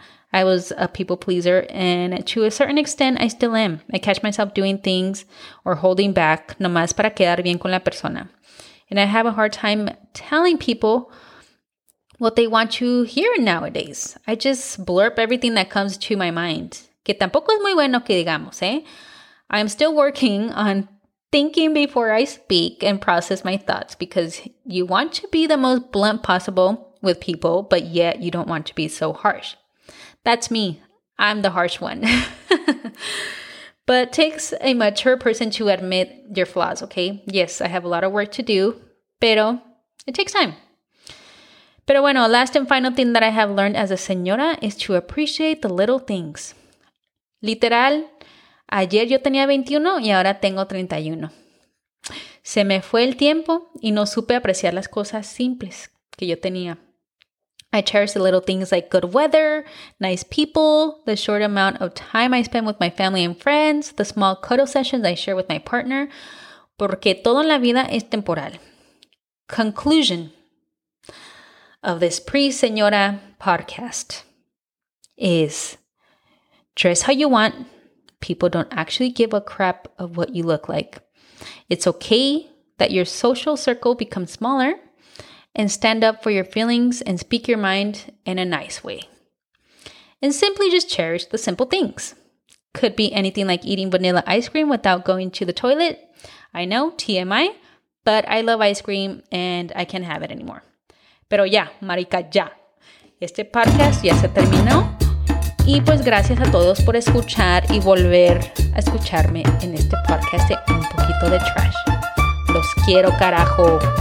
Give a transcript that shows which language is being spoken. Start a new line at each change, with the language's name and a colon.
English: I was a people pleaser, and to a certain extent, I still am. I catch myself doing things or holding back
Spanish: nomás para quedar bien con la persona.
English: And I have a hard time telling people what they want to hear nowadays. I just blurp everything that comes to my mind.
Spanish: Que tampoco es muy bueno que digamos, eh?
English: I'm still working on thinking before I speak and process my thoughts, because you want to be the most blunt possible with people, but yet you don't want to be so harsh. That's me. I'm the harsh one. But it takes a mature person to admit your flaws, okay? Yes, I have a lot of work to do, pero it takes time.
Spanish: Pero bueno,
English: last and final thing that I have learned as a señora is to appreciate the little things.
Spanish: Literal, ayer yo tenía 21 y ahora tengo 31. Se me fue el tiempo y no supe apreciar las cosas simples que yo tenía.
English: I cherish the little things like good weather, nice people, the short amount of time I spend with my family and friends, the small cuddle sessions I share with my partner,
Spanish: porque todo en la vida es temporal.
English: Conclusion of this pre-señora podcast is dress how you want. People don't actually give a crap of what you look like. It's okay that your social circle becomes smaller. And stand up for your feelings and speak your mind in a nice way. And simply just cherish the simple things. Could be anything like eating vanilla ice cream without going to the toilet. I know, TMI, but I love ice cream and I can't have it anymore.
Spanish: Pero ya, marica, ya. Este podcast ya se terminó. Y pues gracias a todos por escuchar y volver a escucharme en este podcast de un poquito de trash. Los quiero, carajo.